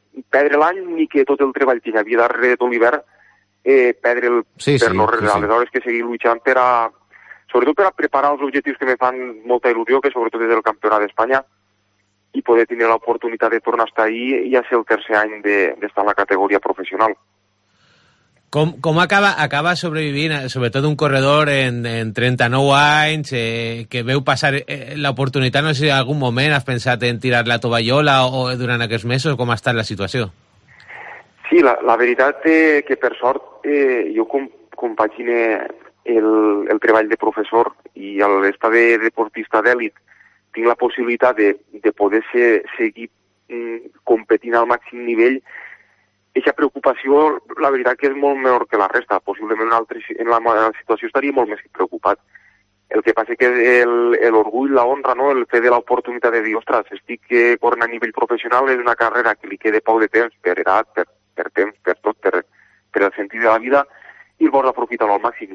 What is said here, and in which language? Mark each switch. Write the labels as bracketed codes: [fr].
[ca] perdre l'any ni que tot el treball que hi havia darrere tot l'hivern perdre'l aleshores que seguir lluitant per a, sobretot per a preparar els objectius que me fan molta il·lusió, que sobretot és el campionat d'Espanya, i poder tenir l'oportunitat de tornar a estar ahí i a ser el tercer any d'estar en la categoria professional. [es] ¿Cómo acaba sobrevivir, sobre todo un corredor en 39 años, que veo pasar la oportunidad? No sé si en algún momento has pensado en [ca] tirar la tovallola [es] o durante aquellos meses, ¿cómo está la situación? Sí, la verdad es que, por suerte, yo compagine el trabajo de profesor y al estar de deportista de élite, tengo la posibilidad de poder seguir competiendo al máximo nivel. [ca] Aquesta preocupació, la veritat que és molt menor que la resta. Possiblement en la situació estaria molt més preocupat. El que passa és que l'orgull, la honra, no? El fet de l'oportunitat de dir, ostres, estic corrent a nivell professional, és una carrera que li queda poc de temps, per edat, per temps, per tot, per el sentit de la vida, i el vols aprofitar al màxim.